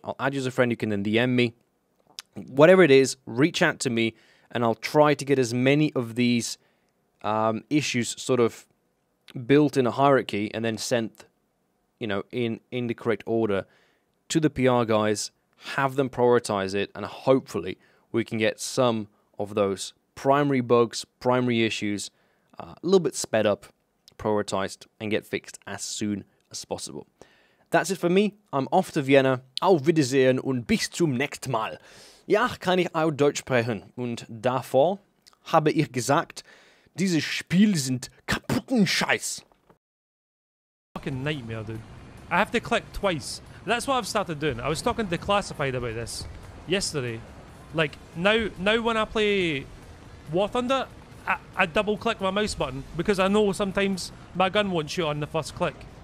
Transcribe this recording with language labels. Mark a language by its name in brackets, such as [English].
[English] I'll add you as a friend. You can then DM me. Whatever it is, reach out to me, and I'll try to get as many of these issues sort of built in a hierarchy and then sent, you know, in the correct order to the PR guys, have them prioritize it, and hopefully we can get some of those primary bugs, primary issues, a little bit sped up, prioritized, and get fixed as soon as possible. That's it for me. I'm off to Vienna. [German] Auf Wiedersehen und bis zum nächsten Mal. Ja, kann ich auch Deutsch sprechen. Und davor habe ich gesagt, dieses Spiel sind kaputten Scheiß. [English] Fucking nightmare, dude. I have to click twice. That's what I've started doing. I was talking to Classified about this yesterday. Like, now when I play War Thunder, I double click my mouse button because I know sometimes my gun won't shoot on the first click.